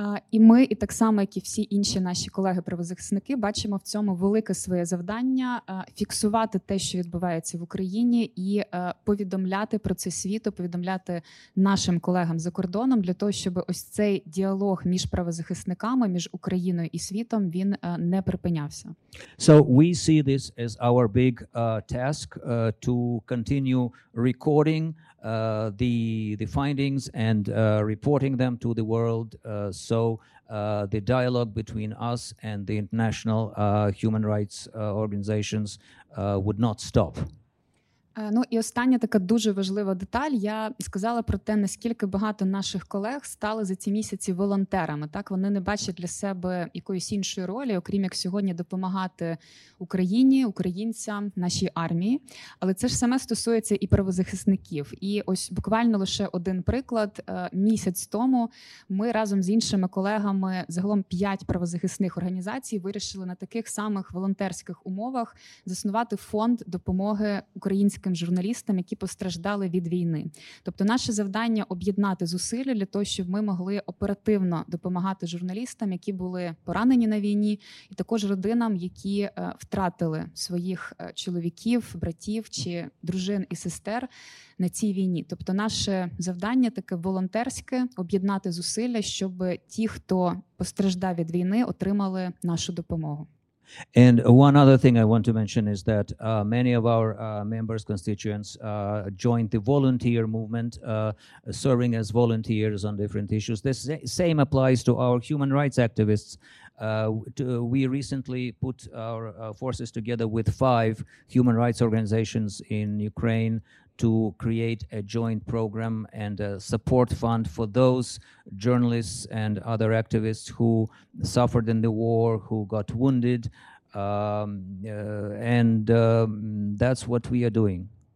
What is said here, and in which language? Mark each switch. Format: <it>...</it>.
<uk>І ми, і так само, як і всі інші наші колеги-правозахисники, бачимо в цьому велике своє завдання фіксувати те, що відбувається в Україні, і повідомляти про це світу, повідомляти нашим колегам за кордоном для того, щоб ось цей діалог між правозахисниками, між Україною і світом, він не припинявся.</uk> <en>So we see this as our big task to continue recording the findings and reporting them to the world so the dialogue between us and the international human rights organizations would not stop.</en> <uk>Ну і остання така дуже важлива деталь. Я сказала про те, наскільки багато наших колег стали за ці місяці волонтерами. Так, вони не бачать для себе якоїсь іншої ролі, окрім як сьогодні допомагати Україні, українцям, нашій армії. Але це ж саме стосується і правозахисників. І ось буквально лише один приклад. Місяць тому ми разом з іншими колегами, загалом 5 правозахисних організацій, вирішили на таких самих волонтерських умовах заснувати фонд допомоги українським журналістам, які постраждали від війни. Тобто наше завдання – об'єднати зусилля для того, щоб ми могли оперативно допомагати журналістам, які були поранені на війні, і також родинам, які втратили своїх чоловіків, братів чи дружин і сестер на цій війні. Тобто наше завдання таке волонтерське – об'єднати зусилля, щоб ті, хто постраждав від війни, отримали нашу допомогу.</uk> <en>And one other thing I want to mention is that many of our members, constituents, joined the volunteer movement, serving as volunteers on different issues. This same applies to our human rights activists. We recently put our forces together with 5 human rights organizations in Ukraine to create a joint program and a support fund for those journalists and other activists who suffered in the war, who got wounded, that's what we are doing.</en>